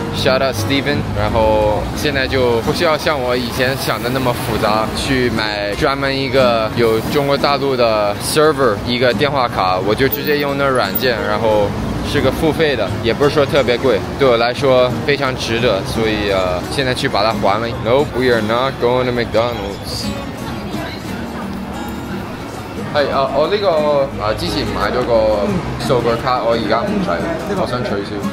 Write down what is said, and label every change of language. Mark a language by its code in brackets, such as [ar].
[en] Shout out Steven， [zh] 然后现在就不需要像我以前想的那么复杂去买专门一个有中国大陆的 server 一个电话卡，我就直接用那软件，然后是个付费的，也不是说特别贵，对我来说非常值得，所以现在去把它还了。 [en] Nope, we are not going to McDonald's。 [zh] 哎，我这个之前买了个数据卡，我现在不用了，我想取消。